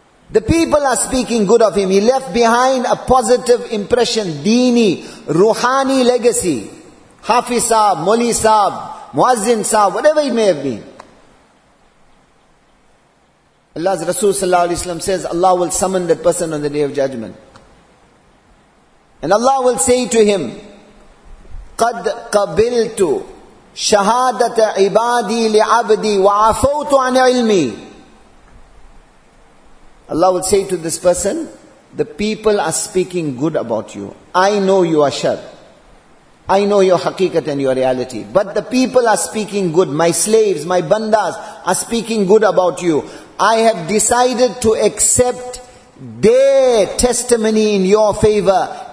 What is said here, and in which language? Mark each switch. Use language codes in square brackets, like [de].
[en] The people are speaking good of him. He left behind a positive impression, dini, ruhani legacy. Hafiz sahab, Moli sahab, Muazzin sahab, whatever it may have been. Allah's Rasul sallallahu alayhi wa sallam says, Allah will summon that person on the day of judgment. And Allah will say to him, [ar] قَدْ قَبِلْتُ شَهَادَةَ عِبَادِي لِعَبْدِي وَعَفَوْتُ عَنْ عِلْمِي. [en] Allah will say to this person, the people are speaking good about you. I know you are shar. I know your haqiqat and your reality. But the people are speaking good. My slaves, my bandas are speaking good about you. I have decided to accept their testimony in your favor.